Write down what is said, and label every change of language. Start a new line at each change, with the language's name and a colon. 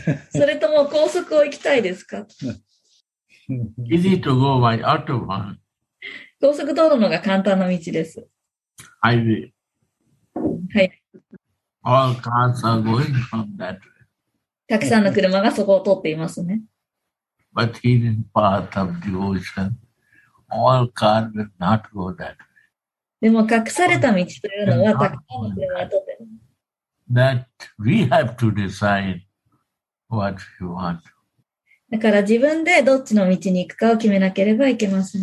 Japanese: それとも高速を行きたいですか?
English: Easy to go by auto one.
Japanese: 高速道路のが簡単な道です。
English: Highway.
Japanese: はい。
English: All cars are going from that way.
Japanese: たくさんの車がそこを通っていますね。
English: But hidden path of devotion, all cars will not go that way.
Japanese: でも隠された道というのはたくさんの車が通っています。
English: That we have to decide what we want.
Japanese: だから自分でどっちの道に行くかを決めなければいけません。